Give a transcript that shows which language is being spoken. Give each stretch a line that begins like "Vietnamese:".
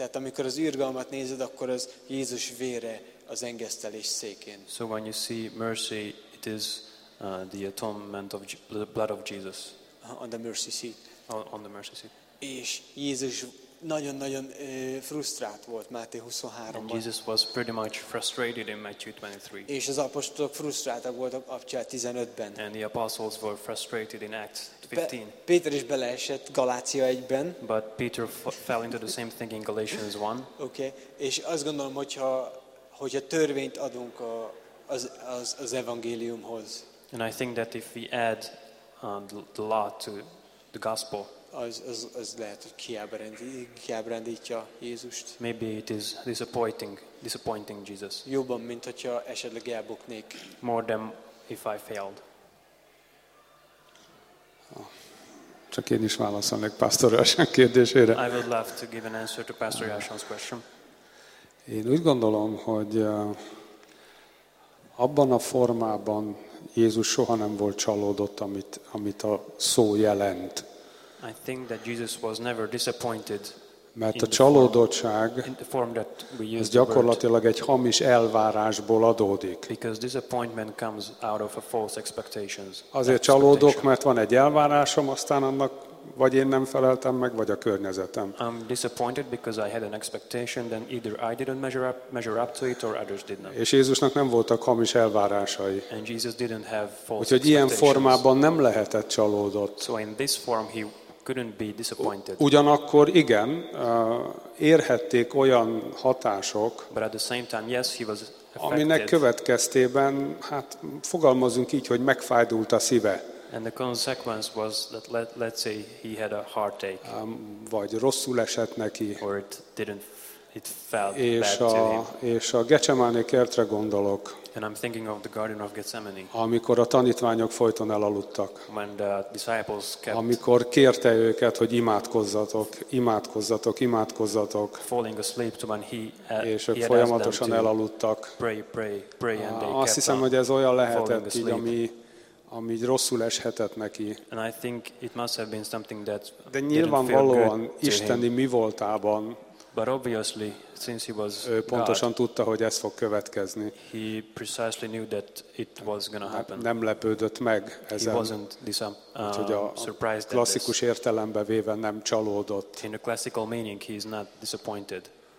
Hungarian: tehát amikor az irgalmat nézed, akkor az Jézus vére az engesztelés székén.
English: So when you see mercy, it is the atonement of the blood of Jesus. On the mercy seat. On the mercy seat.
Hungarian: És Jézus nagyon-nagyon frusztrált volt Máté 23-ban.
English: And Jesus was pretty much frustrated in Matthew 23.
Hungarian: És az apostolok frusztráltak voltak Apcsát 15-ben.
English: And the apostles were frustrated in Acts 15.
Hungarian: Péter is beleesett Galácia 1-ben.
English: But Peter fell into the same thing in Galatians 1. Okay.
Hungarian: És azt gondolom, hogyha törvényt adunk az evangéliumhoz.
English: And I think that if we add the law to the gospel,
Hungarian: az lehet, hogy kiábrándítja Jézust.
English: Maybe it is disappointing Jesus.
Hungarian: Jobban, mint hogyha esetleg elbuknék.
English: More than if I failed.
Hungarian: Csak én is válaszolnék Pastor Jashan kérdésére.
English: I would love to give an answer to Pastor Jashan's question.
Hungarian: Én úgy gondolom, hogy abban a formában Jézus soha nem volt csalódott, amit a szó jelent.
English: I think that Jesus was never disappointed.
Hungarian: Mert a csalódottság ez gyakorlatilag egy hamis elvárásból adódik.
English: Because disappointment comes out of a false expectations.
Hungarian: Azért csalódok, mert van egy elvárásom, aztán annak vagy én nem feleltem meg, vagy a környezetem.
English: I'm disappointed because I had an expectation, then either I didn't measure up to it, or others did not.
Hungarian: És Jézusnak nem voltak hamis elvárásai.
English: And Jesus didn't have false expectations.
Hungarian: Úgyhogy ilyen formában nem lehetett csalódott.
English: So in this form he couldn't be disappointed.
Hungarian: Ugyanakkor igen, érhették olyan hatások,
English: but at the same time, yes, he was affected.
Hungarian: Aminek következtében, hát fogalmazunk így, hogy megfájdult a szíve.
English: And the consequence was that let's say he had a heartache.
Hungarian: Vagy rosszul esett neki.
English: Or it felt
Hungarian: és
English: bad to him.
Hungarian: És a Getsemáné kertre gondolok.
English: And I'm thinking of the Garden of Gethsemane.
Hungarian: Amikor a tanítványok folyton elaludtak.
English: When the disciples kept.
Hungarian: Amikor kérte őket, hogy imádkozzatok.
English: Falling asleep to when
Hungarian: és ők folyamatosan elaludtak.
English: Pray and they
Hungarian: azt hiszem, hogy ez olyan lehetett, így, ami rosszul eshetett neki.
English: And I think it must have been something that
Hungarian: de nyilvánvalóan isteni mi voltában.
English: But obviously since he was
Hungarian: ő pontosan
English: God,
Hungarian: tudta, hogy ez fog következni.
English: He precisely knew that it was gonna happen.
Hungarian: Nem lepődött meg ezen.
English: He wasn't surprised.
Hungarian: A klasszikus értelembe véve nem csalódott.
English: In a classical meaning he is not disappointed.